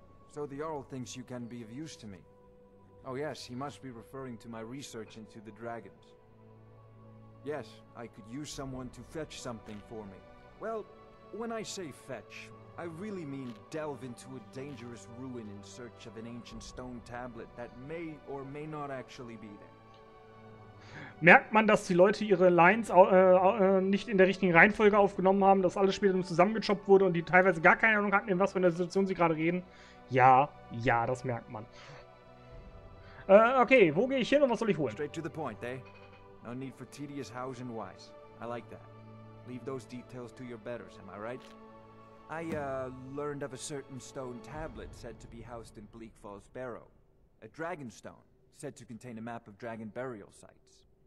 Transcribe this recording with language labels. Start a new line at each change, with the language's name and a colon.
English: So the Jarl thinks you can be of use to me. Oh yes, he must be referring to my research into the dragons. Yes, I could use someone to fetch something for me. Well, When I say fetch, I really mean delve into a dangerous ruin in search of an ancient stone tablet that may or may not actually be there.
German: Merkt man, dass die Leute ihre Lines nicht in der richtigen Reihenfolge aufgenommen haben, dass alles später zusammengechoppt wurde und die teilweise gar keine Ahnung hatten, in was für einer Situation sie gerade reden? Ja, das merkt man. Okay, wo gehe ich hin und was soll ich holen?
English: Straight to the point, eh? No need for tedious hows and whys. I like that. Leave those details to your betters, am I right? I learned of a certain stone tablet said to be housed in Bleak Falls Barrow. A dragon stone, said to contain a map of dragon burial sites.